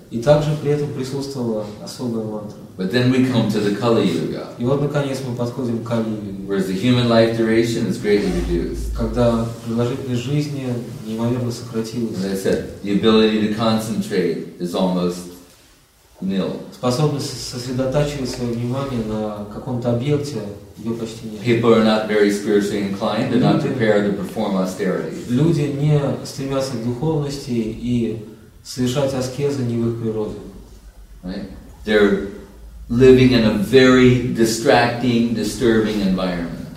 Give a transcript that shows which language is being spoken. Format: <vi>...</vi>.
<ru>И также при этом присутствовала особая мантра.</ru> <en>But then we come to the Kali Yuga.</en> <ru>И вот наконец мы подходим к Кали Юге.</ru> <en>Where the human life duration is greatly reduced.</en> <ru>Когда продолжительность жизни неимоверно сократилась.</ru> <en>And I said, the ability to concentrate is almost nil.</en> <ru>Способность сосредотачивать свое внимание на каком-то объекте ее почти нет.</ru> <en>People are not very spiritually inclined, they're not prepared to perform austerity.</en> <ru>Люди не стремятся к духовности и совершать аскезы не в их природе.</ru> <en>Right? They're living in a very distracting, disturbing environment.</en>